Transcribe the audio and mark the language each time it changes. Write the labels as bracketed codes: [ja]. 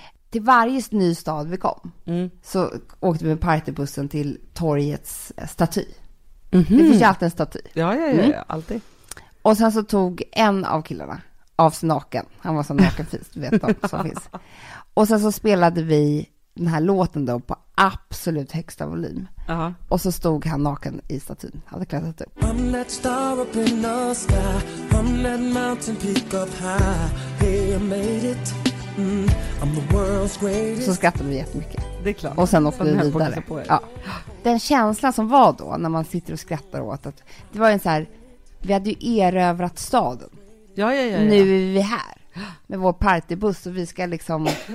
[sv] Till varje ny stad vi kom så åkte vi med partybussen till torgets staty. Mm-hmm. Det finns ju alltid en staty. Ja, alltid. Och sen så tog en av killarna av sin naken. Han var så nakenfist, vet de som finns. Och sen så spelade vi den här låten då på absolut högsta volym. Uh-huh. Och så stod han naken i statyn. Hade klättrat upp. [en] I'm that star up in the sky. I'm that mountain peak up high. Hey, I made it. I'm the world's greatest. [sv] Så skrattade vi jättemycket. Det är klart. Och sen åkte vi vidare. Ja. Den känslan som var då när man sitter och skrattar åt att det var ju en så här, vi hade ju erövrat staden. Ja. Nu är vi här med vår partybuss och vi ska liksom